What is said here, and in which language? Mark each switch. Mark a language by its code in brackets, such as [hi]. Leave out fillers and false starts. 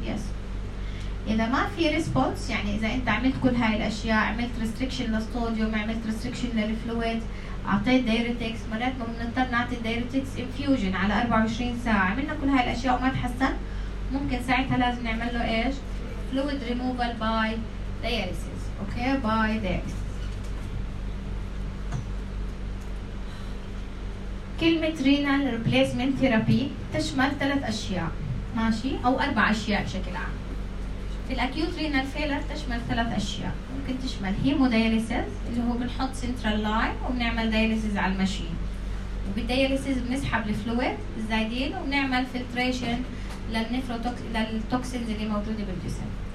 [ar] يس اذا ما في ريسبونس، يعني اذا انت عملت كل هاي الاشياء، عملت ريستريكشن للصوديوم، عملت ريستريكشن للفلويد، اعطيت دايوريتكس، مرات ما بنضطر نعطي دايوريتكس انفيوجن على 24 ساعه، عملنا كل هاي الاشياء وما تحسن، ممكن ساعتها لازم نعمل له ايش؟ [en] fluid removal by dialysis. Okay, by dialysis. كلمة renal replacement therapy [ar] تشمل ثلاث أشياء. ماشي او اربع اشياء بشكل عام. الاكيوت رينال فيلر تشمل ثلاث اشياء، ممكن تشمل هيموداياليسز اللي هو بنحط سنترال لاين وبنعمل دياليسز على المشين، وبالدياليسز بنسحب الفلويد الزايدين وبنعمل فلتريشن للتوكسينز اللي موجوده بالجسم.